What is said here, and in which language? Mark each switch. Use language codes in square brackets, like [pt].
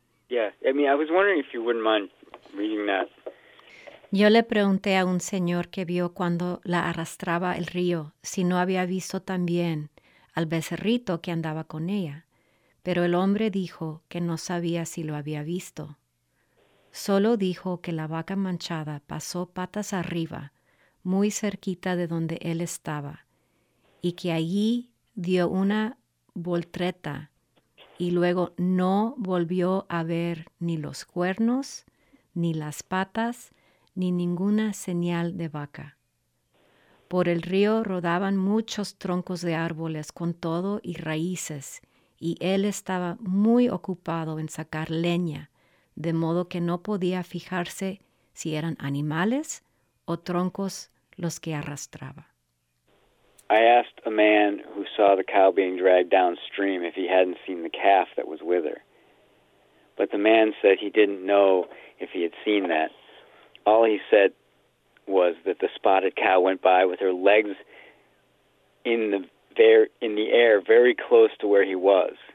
[en] Yeah, I mean, I was wondering if you wouldn't mind reading that. [es] Yo le pregunté a un señor que vio cuando la arrastraba el río si no había visto también al becerrito que andaba con ella. Pero el hombre dijo que no sabía si lo había visto. Solo dijo que la vaca manchada pasó patas arriba, muy cerquita de donde él estaba, y que allí dio una voltereta y luego no volvió a ver ni los cuernos, ni las patas, ni ninguna señal de vaca. Por el río rodaban muchos troncos de árboles con todo y raíces, y él estaba muy ocupado en sacar leña, de modo que no podía fijarse si eran animales o troncos los que arrastraba. [en] I asked a man who saw the cow being dragged downstream if he hadn't seen the calf that was with her. But the man said he didn't know if he had seen that. All he said was that the spotted cow went by with her legs in the air very close to where he was.